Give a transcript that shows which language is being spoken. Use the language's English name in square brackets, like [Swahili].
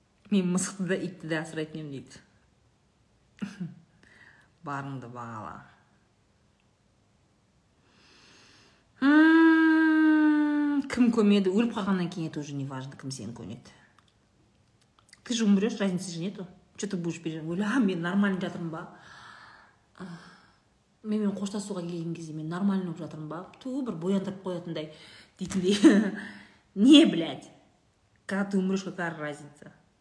[Kazakh] Мен мысықты да итті де асырайтын едім дейді. Барыңды бағала. Кім көмеді? Өліп қалғаннан кейін [Russian] тоже не важно, [Kazakh] кім сені көнеді. [Russian] Ты же умрешь, разницы же нету. Что ты будешь переживать? [Kazakh] Ойла, мен нормально жатырмын ба? Мен қоштасуға келген кезде мен нормально болып жатырмын ба? Түу, бір бояндырып қоятындай дейтіндей. Не, блядь? [Russian] Когда ты умрешь, какая разница?